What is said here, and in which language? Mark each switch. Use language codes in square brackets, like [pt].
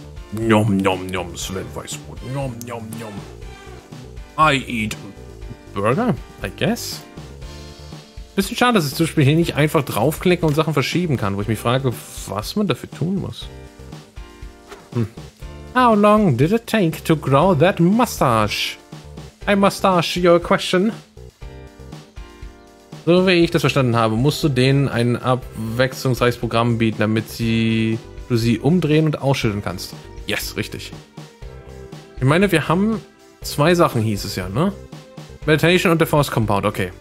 [de] Nom nom nom, Sven Weißbrot. Nom nom nom. [en] I eat Burger, I guess. [de] Bisschen schade, dass ich zum Beispiel hier nicht einfach draufklicken und Sachen verschieben kann, wo ich mich frage, was man dafür tun muss. [en] How long did it take to grow that mustache? I must ask your question. [de] So wie ich das verstanden habe, musst du denen ein abwechslungsreiches Programm bieten, damit du sie umdrehen und ausschütteln kannst. Yes, richtig. Ich meine, wir haben zwei Sachen, hieß es ja, ne? Meditation und der Force Compound, okay.